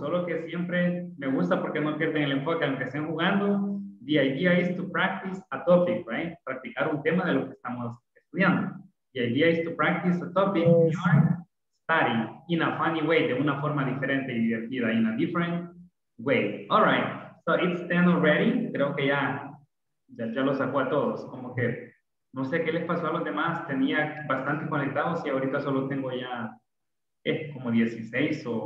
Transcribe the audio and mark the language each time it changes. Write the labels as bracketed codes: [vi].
[es] Solo que siempre me gusta porque no pierden el enfoque aunque estén jugando. [en] The idea is to practice a topic, right? [es] Practicar un tema de lo que estamos estudiando. [en] The idea is to practice a topic. Yes. You are studying in a funny way, [es] de una forma diferente y divertida, [en] in a different way. All right. So it's 10 already. [es] Creo que ya lo sacó a todos. Como que no sé qué les pasó a los demás, tenía bastante conectados y ahorita solo tengo ya como 16 o...